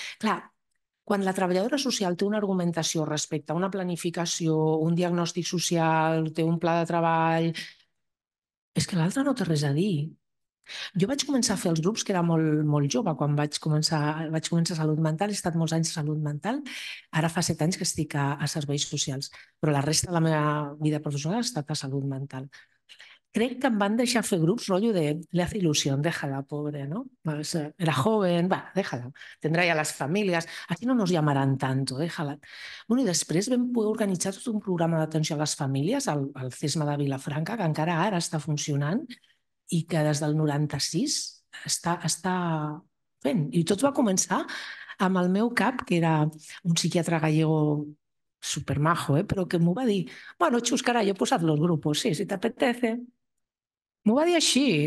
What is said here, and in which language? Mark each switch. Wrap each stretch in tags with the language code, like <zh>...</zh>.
<ca>Clar, quan la treballadora social té una argumentació respecte a una planificació, un diagnòstic social, té un pla de treball, és que l'altre no té res a dir. Jo vaig començar a fer els grups que era molt, molt jove quan vaig començar salut mental, he estat molts anys salut mental, ara fa 7 anys que estic a serveis socials, però la resta de la meva vida professional ha estat a salut mental. Crec que em van deixar fer grups, rotllo de, le hace ilusión, déjala, pobre, ¿no?</ca> <es>Era joven, va, déjala, tendrá ya las familias, así no nos llamarán tanto, déjala.</es> <ca>Bueno, i després vam poder organitzar tot un programa d'atenció a les famílies, al CESMA de Vilafranca, que encara ara està funcionant, i que des del 96 està fent. I tot va començar amb el meu cap, que era un psiquiatre gallego supermajo, però que m'ho va dir, bueno, Xus, carai, he posat los grupos, sí, si t'apetece. M'ho va dir així.</ca>